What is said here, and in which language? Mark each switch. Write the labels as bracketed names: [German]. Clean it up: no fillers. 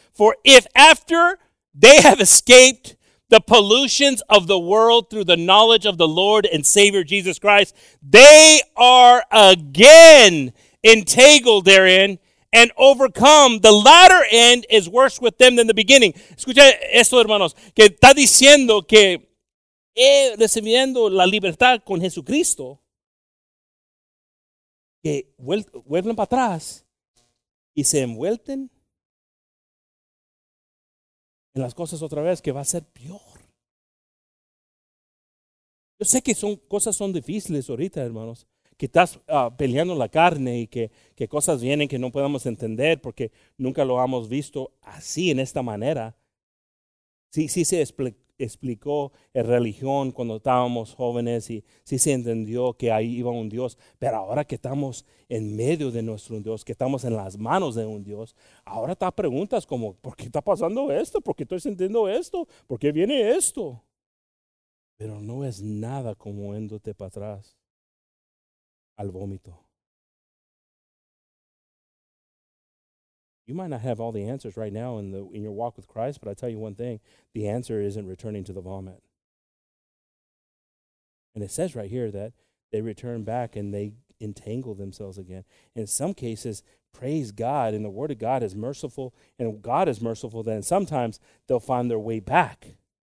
[English] For if after they have escaped the pollutions of the world through the knowledge of the Lord and Savior Jesus Christ, they are again entangled therein and overcome. The latter end is worse with them than the beginning. [Spanish] Escucha esto, hermanos. Que está diciendo que recibiendo la libertad con Jesucristo, que vuelven para atrás y se envuelten en las cosas otra vez, que va a ser peor. Yo sé que son cosas difíciles ahorita, hermanos, que estás peleando la carne y que cosas vienen que no podemos entender porque nunca lo hemos visto así, en esta manera. Sí se explicó en religión cuando estábamos jóvenes y sí se entendió que ahí iba un Dios, pero ahora que estamos en medio de nuestro Dios, que estamos en las manos de un Dios, ahora está preguntas como, ¿por qué está pasando esto? ¿Por qué estoy sintiendo esto? ¿Por qué viene esto? Pero no es nada como yéndote para atrás al vómito. [English] You might not have all the answers right now in your walk with Christ, but I tell you one thing, the answer isn't returning to the vomit. And it says right here that they return back and they entangle themselves again. In some cases, praise God, and the Word of God is merciful, and God is merciful, then sometimes they'll find their way back.